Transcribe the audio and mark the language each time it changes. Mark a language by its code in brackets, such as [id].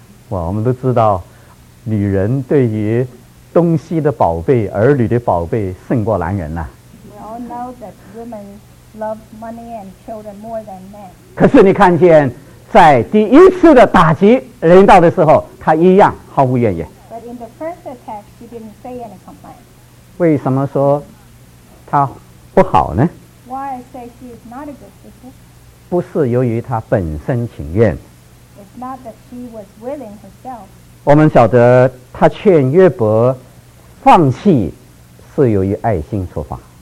[zh] 哇，我们都知道女人对于东西的宝贝、儿女的宝贝胜过男人呐、啊。 [en] We all know that women love money and children more than men. [zh] 可是你看见，在第一次的打击临到的时候，她一样毫无怨言。 [en] But in the first attack, she didn't say any complaint. [zh] 为什么说她不好呢 [en] ？Why I say she is not a good sister? [zh] 不是由于她本身情愿。 [en] It's not that she was willing herself. [zh] 我们晓得他劝约伯放弃是由于爱心出发。